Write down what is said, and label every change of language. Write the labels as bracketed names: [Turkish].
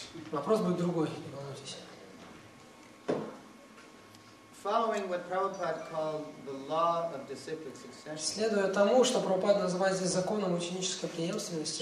[Russian] Вопрос будет другой, не волнуйтесь. [English] Following what Prabhupada called the law of disciplic succession. [Russian] Следуя тому, что Прабхупада называет здесь законом ученической преемственности.